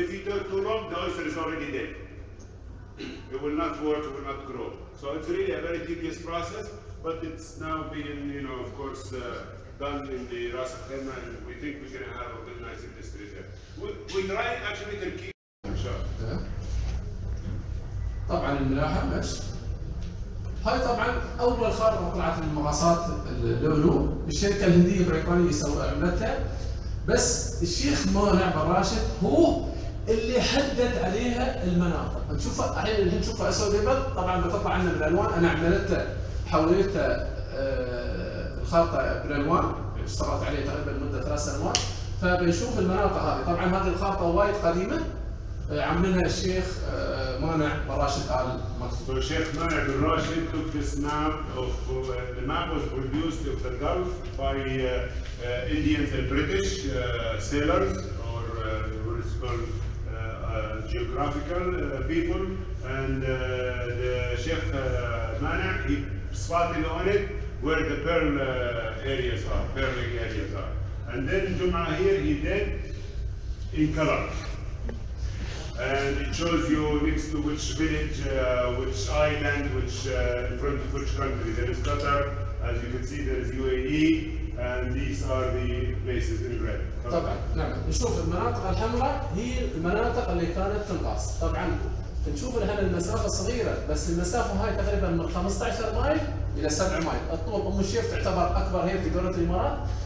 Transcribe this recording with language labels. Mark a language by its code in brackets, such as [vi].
[en] If you take too long, the oyster is already dead. It will not work, it will not grow. So it's really a very tedious process, but it's now being, you know, of course, done in the Ras Al Khaimah, and we think we can have a good, nice industry there. We try actually to keep. [ar] طبعا الملاحه بس هاي طبعا اول خارطه طلعت من المقاسات اللولو الشركه الهنديه البريطانيه سوت عملتها بس الشيخ مانع بن راشد هو اللي حدد عليها المناطق نشوفها الحين الهند نشوفها اسود ابيض طبعا بتطلع عنا بالالوان انا عملتها حوليتها الخارطه بالالوان اشتغلت عليها تقريبا لمده 3 سنوات فبنشوف المناطق هذه طبعا هذه الخارطه وايد قديمه عمنا الشيخ مانع بن راشد آل مكتوب. [en] So Sheikh مانع بن راشد took this map of the map was produced of the Gulf by Indians and British sailors or what is called geographical people and the Sheikh مانع he spotted on it where the pearl areas are, pearling areas are. And then Juma here he did in color. And it shows you next to which village, which island, which in front of which country. There is Qatar, as you can see, there is UAE, and these are the places in red. [ar] طبعا نعم نشوف المناطق الحمراء هي المناطق اللي كانت تنقص. طبعا نشوف هنا المسافة صغيرة بس المسافة هاي تقريبا من 15 مايل إلى 7 مايل. الطول أم الشيخ تعتبر أكبر هي في دولة الإمارات.